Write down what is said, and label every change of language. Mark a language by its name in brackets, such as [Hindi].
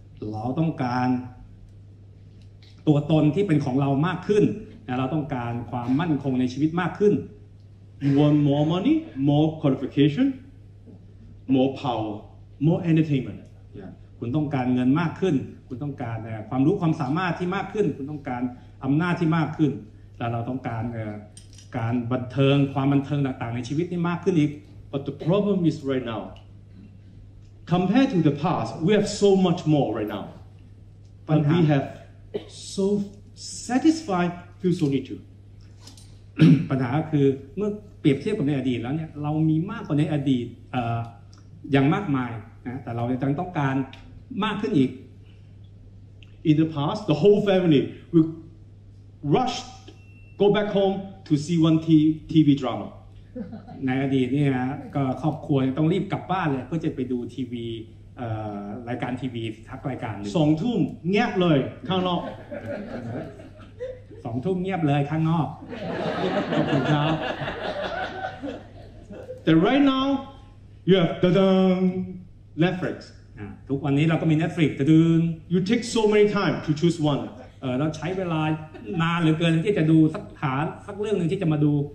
[Thai] เราต้องการตัวตนที่เป็นของเรามากขึ้นเราต้องการความมั่นคงในชีวิตมากขึ้น [English] you want more money more qualification more power more entertainment [Thai] คุณต้องการเงินมากขึ้นคุณต้องการความรู้ความสามารถที่มากขึ้นคุณต้องการอำนาจที่มากขึ้นแล้วเราต้องการการบันเทิงความบันเทิงต่างๆในชีวิตนี้มากขึ้นอีก [English] but the problem is right now compared to the past we have so much more right now but we have so satisfiedfeel so need to [Thai] ปัญหาคือเมื่อเปรียบเทียบกับในอดีตแล้วเนี่ยเรามีมากกว่าในอดีตอย่างมากมายนะแต่เรายังต้องการมากขึ้นอีก [English] in the past the whole family will rush go back home to see one TV drama [Thai] ในอดีตเนี่ยก็ครอบครัวต้องรีบกลับบ้านเลยเพื่อจะไปดูทีวีรายการทีวีทักรายการ สองทุ่มเงียบเลยข้างนอก 2ทุ่มเงียบเลยข้างนอก ขอบคุณครับ [English] The right now you have the Netflix [Thai] ทุกวันนี้เราก็มี Netflix ตะดึง [English] you take so many time to choose one [Thai] เราใช้เวลานานเหลือเกินที่จะดูสักฐานสักเรื่องนึงที่จะมาดู